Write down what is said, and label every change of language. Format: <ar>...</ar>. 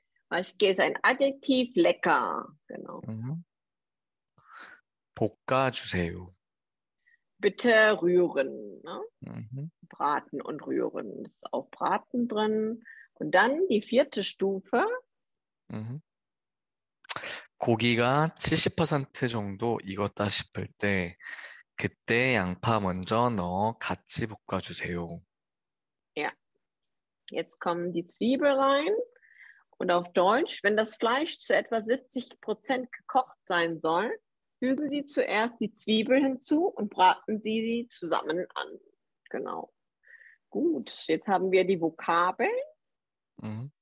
<de>Maschke ist ein Adjektiv, lecker, genau.</de> <ko>Poka juseyo.</ko> <de>Bitte rühren, ne? Braten und rühren, das ist auch Braten drin. Und dann die vierte Stufe.</de> <ko>고기가 70% 정도 익었다 싶을 때, 그때 양파 먼저 넣어 같이 볶아주세요.</ko> <de>Jetzt kommen die Zwiebel rein. Und auf Deutsch, wenn das Fleisch zu etwa 70% gekocht sein soll, fügen Sie zuerst die Zwiebel hinzu und braten Sie sie zusammen an. Genau. Gut, jetzt haben wir die Vokabeln.</de>